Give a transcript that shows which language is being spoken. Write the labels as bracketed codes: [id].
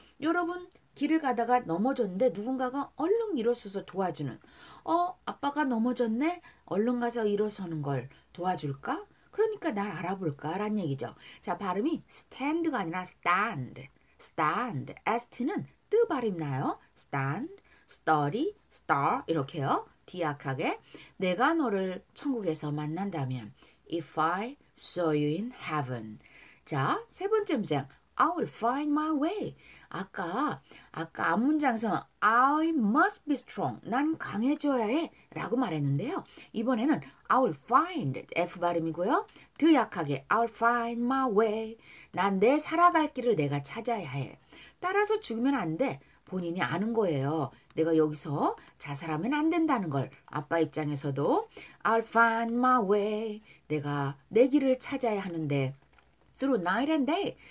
[ko] 여러분, 길을 가다가 넘어졌는데 누군가가 얼른 일어서서 도와주는. 아빠가 넘어졌네? 얼른 가서 일어서는 걸 도와줄까? 그러니까 날 알아볼까라는 얘기죠. 자, 발음이 stand가 아니라 stand. stand. st는 뜨 발음 나요. stand, study, star 이렇게요. 기약하게 내가 너를 천국에서 만난다면 [en] If I saw you in heaven. [ko] 자, 세 번째 문장 [en] I will find my way. [ko] 아까 앞 문장에서 [en] I must be strong. [ko] 난 강해져야 해 라고 말했는데요. 이번에는 I will find F 발음이고요. 더 약하게 [en] I'll find my way. [ko] 난내 살아갈 길을 내가 찾아야 해. 따라서 죽으면 안 돼. 본인이 아는 거예요. 내가 여기서 자살하면 안 된다는 걸 아빠 입장에서도 [en] I'll find my way. [ko] 내가 내 길을 찾아야 하는데 [en] through night and day.